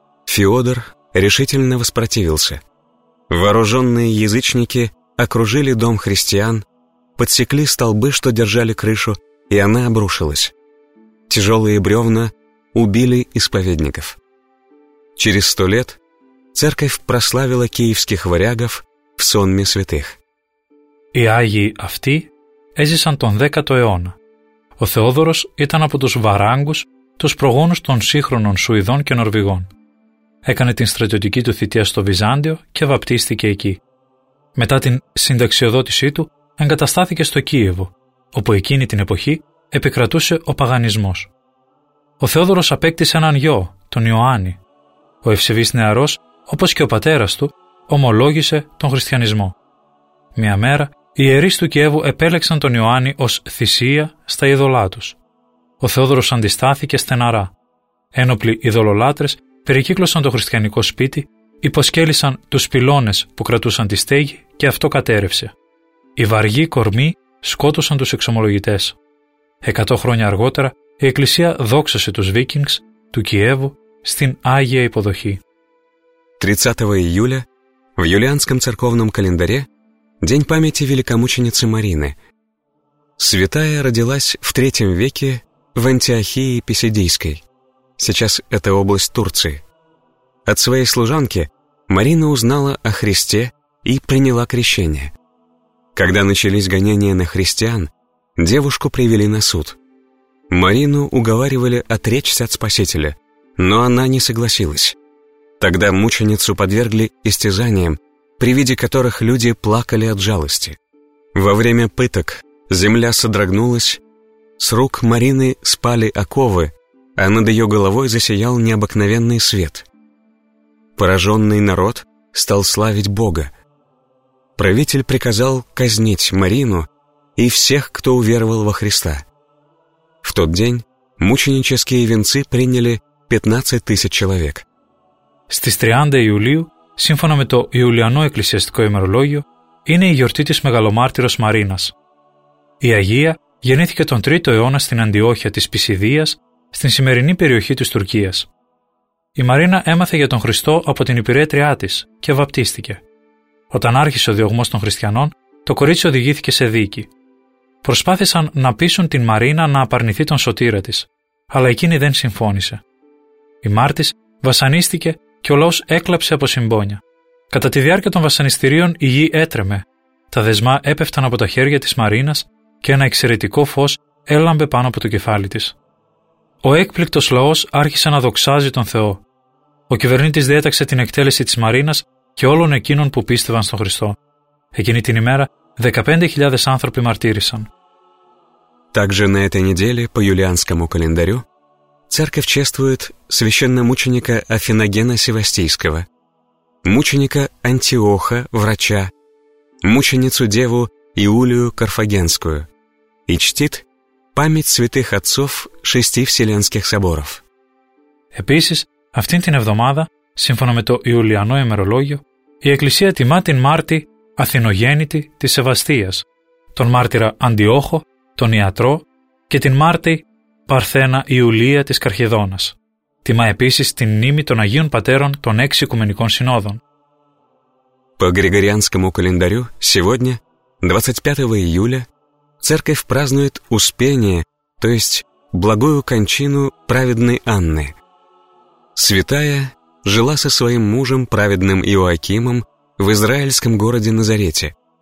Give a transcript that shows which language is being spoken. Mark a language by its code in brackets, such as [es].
[ru] Феодор решительно воспротивился. Вооруженные язычники окружили дом христиан, подсекли столбы, что держали крышу, и она обрушилась. Тяжелые бревна убили исповедников. Через 100 лет церковь прославила киевских варягов в сонме святых. [el] Οι Άγιοι αυτοί έζησαν τον 10ο αιώνα. Ο Θεόδωρος ήταν από τους Βαράγκους, τους προγόνους των σύγχρονων Σουηδών και Νορβηγών. Έκανε την στρατιωτική του θητεία στο Βυζάντιο και βαπτίστηκε εκεί. Μετά την συνταξιοδότησή του, εγκαταστάθηκε στο Κίεβο, όπου εκείνη την εποχή επικρατούσε ο παγανισμός. Ο Θεόδωρος απέκτησε έναν γιο, τον Ιωάννη. Ο ευσεβής νεαρός, όπως και ο πατέρας του, ομολόγησε τον χριστιανισμό. Μια μέρα, οι ιερείς του Κιέβου επέλεξαν τον Ιωάννη ως θυσία στα ειδωλά τους. Ο Θεόδωρος αντιστάθηκε στεναρά. Ένοπλοι ειδωλολάτρες περικύκλωσαν το χριστιανικό σπίτι, υποσκέλισαν τους πυλώνες που κρατούσαν τη στέγη και αυτό κατέρευσε. Οι βαργοί κορμοί σκότωσαν τους εξομολογητές. 100 χρόνια αργότερα, η Εκκλησία δόξασε τους Βίκινγκς του Κιέβου στην Άγια Υποδοχή. 30 Ιουλίου, [ru] в юлианском церковном календаре, День памяти великомученицы Марины. Святая родилась в III веке в Антиохии Писидийской. Сейчас это область Турции. От своей служанки Марина узнала о Христе и приняла крещение. Когда начались гонения на христиан, девушку привели на суд. Марину уговаривали отречься от Спасителя, но она не согласилась. Тогда мученицу подвергли истязаниям, при виде которых люди плакали от жалости. Во время пыток земля содрогнулась, с рук Марины спали оковы, а над ее головой засиял необыкновенный свет. Пораженный народ стал славить Бога. Правитель приказал казнить Марину и всех, кто уверовал во Христа. В тот день мученические венцы приняли 15 тысяч человек. [el] Στις 30 Ιουλίου, σύμφωνα με το Ιουλιανό Εκκλησιαστικό ημερολόγιο, είναι η γιορτή της Μεγαλομάρτυρος Μαρίνας. Η Αγία γεννήθηκε τον 3ο αιώνα στην Αντιόχεια της Πισιδίας, στην σημερινή περιοχή της Τουρκίας. Η Μαρίνα έμαθε για τον Χριστό από την υπηρέτριά της και βαπτίστηκε. Όταν άρχισε ο διωγμός των χριστιανών, το κορίτσι οδηγήθηκε σε δίκη. Προσπάθησαν να πείσουν την Μαρίνα να απαρνηθεί τον σωτήρα της, αλλά εκείνη δεν συμφώνησε. Η μάρτης βασανίστηκε και ο λαός έκλαψε από συμπόνια. Κατά τη διάρκεια των βασανιστήριων η γη έτρεμε. Τα δεσμά έπεφταν από τα χέρια της Μαρίνας και ένα εξαιρετικό φως έλαμπε πάνω από το κεφάλι της. Ο έκπληκτος λαός άρχισε να δοξάζει τον Θεό. Ο κυβερνήτης διέταξε την εκτέλεση της Μαρίνας και όλων εκείνων που πίστευαν στον Χριστό. Εκείνη την ημέρα 15.000 άνθρωποι μαρτύρησαν. [ru] Также на этой неделе по юлианскому календарю Церковь чествует священномученика Афиногена Севастийского, мученика Антиоха, врача, мученицу-деву Иулию Карфагенскую и чтит память святых отцов 6 вселенских соборов. [el] Επίσης, αυτήν την εβδομάδα, σύμφωνα με το Ιουλιανό ημερολόγιο, η Εκκλησία τιμά την Μάρτη Αθηνογέννητη της Σεβαστίας, τον μάρτυρα Αντιόχο, τον ιατρό και την Μάρτη Παρθένα Ιουλία της Καρχεδόνας. Τιμά επίσης την μνήμη των Αγίων Πατέρων των Έξι Οικουμενικών Συνόδων. [ru] По Григорианскому календарю сегодня, 25 июля, церковь празднует Успение, то есть благую кончину праведной Анны. Святая жила со своим мужем праведным Иоакимом в израильском городе Назарете.